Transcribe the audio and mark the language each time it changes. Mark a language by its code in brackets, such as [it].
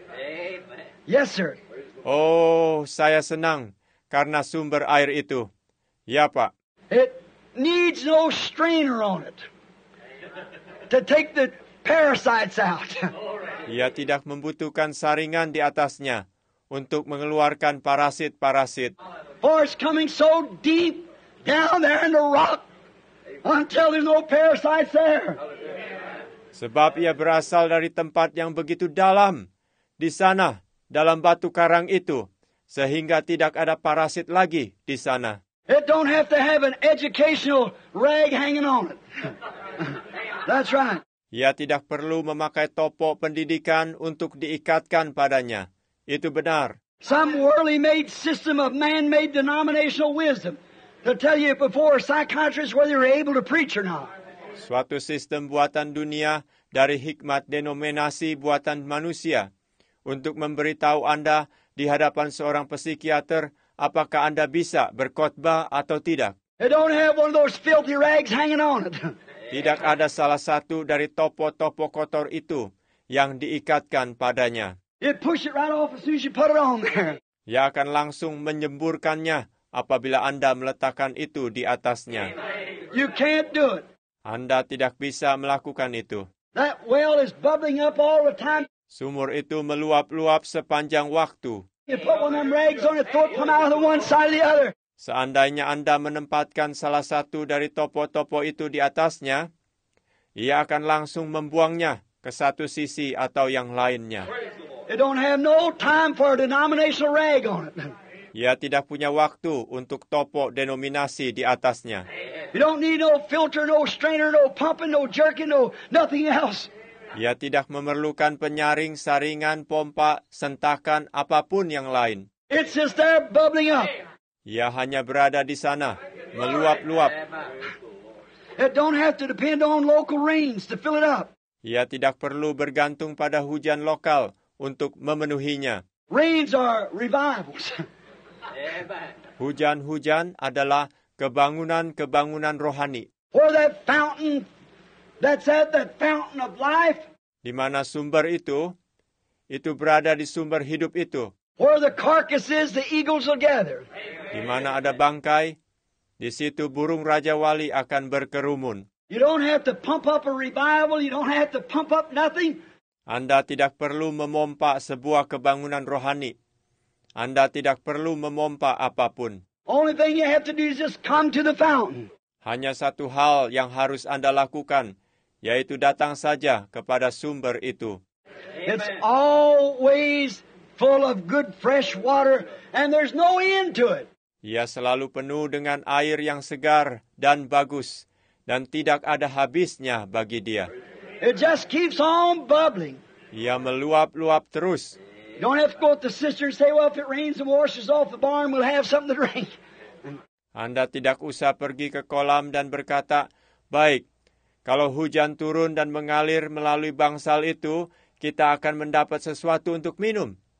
[en] Amen. Yes, sir. [id] Oh, saya senang karena sumber air itu. Ya, Pak. [en] It needs no strainer on it to take the parasites out. [id] Ia tidak membutuhkan saringan di atasnya untuk mengeluarkan parasit-parasit. [en] For it's coming so deep down there in the rock until there's no parasites there. [id] Sebab ia berasal dari tempat yang begitu dalam, di sana, dalam batu karang itu, sehingga tidak ada parasit lagi di sana. [en] It don't have to have an educational rag hanging on it. That's right. [id] Ia tidak perlu memakai topok pendidikan untuk diikatkan padanya. Itu benar. [en] Some worldly made system of man-made denominational wisdom to tell you before a psychiatrist whether you're able to preach or not. [id] Suatu sistem buatan dunia dari hikmat denominasi buatan manusia untuk memberitahu Anda di hadapan seorang psikiater apakah Anda bisa berkhotbah atau tidak. [en] They don't have one of those filthy rags hanging on it. [id] Tidak ada salah satu dari topo-topo kotor itu yang diikatkan padanya. [en] It push it right off as soon as you put it on there. [id] Ia akan langsung menyemburkannya apabila Anda meletakkan itu di atasnya. [en] You can't do it. [id] Anda tidak bisa melakukan itu. [en] That well is bubbling up all the time. [id] Sumur itu meluap-luap sepanjang waktu. [en] You put one of them rags on it, throw it from out of one side to the other. [id] Seandainya Anda menempatkan salah satu dari topo-topo itu di atasnya, ia akan langsung membuangnya ke satu sisi atau yang lainnya. [en] It don't have no time for a denominational rag on it. [id] Ia tidak punya waktu untuk topo denominasi di atasnya. [en] You don't need no filter, no strainer, no pumping, no jerking, no nothing else. [id] Ia tidak memerlukan penyaring, saringan, pompa, sentakan, apapun yang lain. [en] It's just there bubbling up. [id] Ia hanya berada di sana, meluap-luap. [en] It don't have to depend on local rains to fill it up. [id] Ia tidak perlu bergantung pada hujan lokal untuk memenuhinya. [en] Rains are revivals. [id] Hujan-hujan adalah kebangunan-kebangunan rohani. [en] Where that fountain, that's at that fountain of life. [id] Di mana sumber itu berada di sumber hidup itu. [en] Where the carcasses, the eagles will gather. [id] Di mana ada bangkai, di situ burung raja wali akan berkerumun. [en] You don't have to pump up a revival. You don't have to pump up nothing. [id] Anda tidak perlu memompa sebuah kebangunan rohani. Anda tidak perlu memompa apapun. [en] Only thing you have to do is just come to the fountain. [id] Hanya satu hal yang harus Anda lakukan, yaitu datang saja kepada sumber itu. [en] It's always full of good fresh water and there's no end to it. [id] Ia selalu penuh dengan air yang segar dan bagus dan tidak ada habisnya bagi dia. [en] It just keeps on bubbling. [id] Ia meluap-luap terus. [en] Don't have to go to the sister and say, well, if it rains and washes off the barn, we'll have something to drink. [id] Anda tidak usah pergi ke kolam dan berkata, baik, kalau hujan turun dan mengalir melalui bangsal itu, kita akan mendapat sesuatu untuk minum.